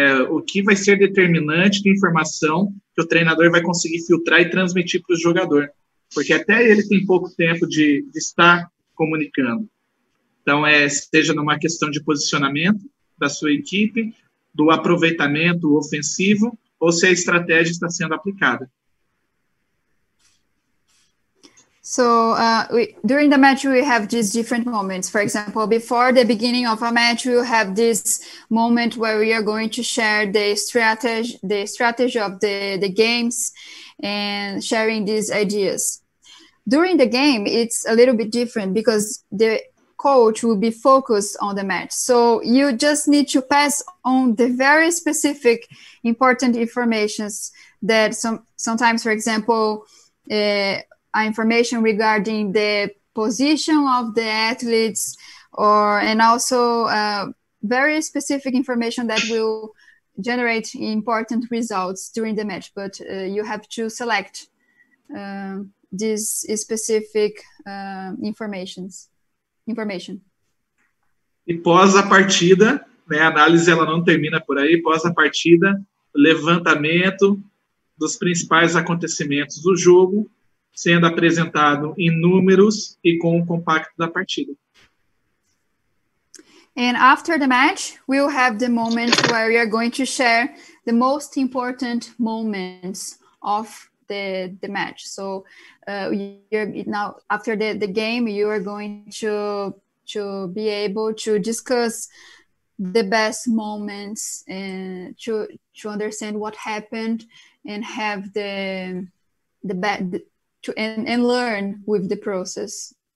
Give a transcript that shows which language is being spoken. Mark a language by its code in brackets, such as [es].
[pt] O que vai ser determinante de informação que o treinador vai conseguir filtrar e transmitir para o jogador, porque até ele tem pouco tempo de estar comunicando. Então, seja numa questão de posicionamento da sua equipe, do aproveitamento ofensivo, ou se a estratégia está sendo aplicada. [en] So, during the match, we have these different moments. For example, before the beginning of a match, we have this moment where we are going to share the strategy of the games and sharing these ideas. During the game, it's a little bit different because the coach will be focused on the match. So you just need to pass on the very specific important informations that sometimes, for example, information regarding the position of the athletes and also very specific information that will generate important results during the match. But you have to select these specific information. [pt] E pós a partida, né, a análise ela não termina por aí, pós a partida, levantamento dos principais acontecimentos do jogo, sendo apresentado em números e com o compacto da partida. [en] And after the match, we'll have the moment where we are going to share the most important moments of the match. So, after the game, you are going to be able to discuss the best moments and to understand what happened and have the learn with the process.